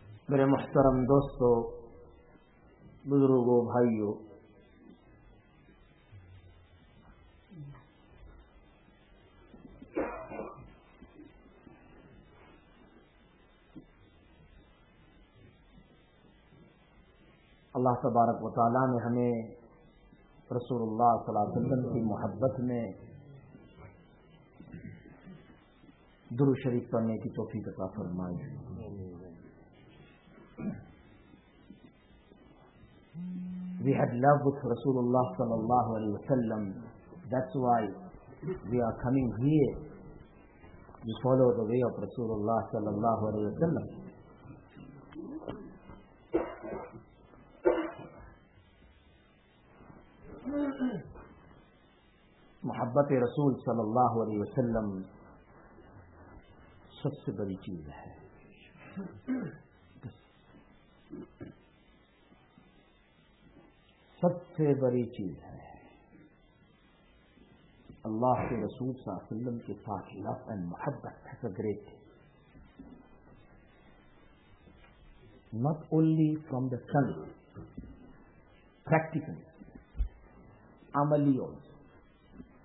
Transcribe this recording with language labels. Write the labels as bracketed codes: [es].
[ur] میرے محترم دوستو بزرگوں بھائیو اللہ تبارک و تعالیٰ نے ہمیں رسول اللہ صلی اللہ علیہ وسلم کی محبت میں درود شریف پڑھنے کی توفیق عطا فرمائی [en] We had loved Rasulullah sallallahu alayhi wa sallam. That's why we are coming here to follow the way of Rasulullah sallallahu alayhi wa sallam. [ur] محبت رسول صلی اللہ علیہ وسلم سب سے بڑی چیز ہے سب سب سے بڑی چیز ہے اللہ کے رسول صلی اللہ علیہ وسلم کے ساتھ [en] love and [ur] محبت. [en] That's a great thing. Not only from the tongue, practically, amali also.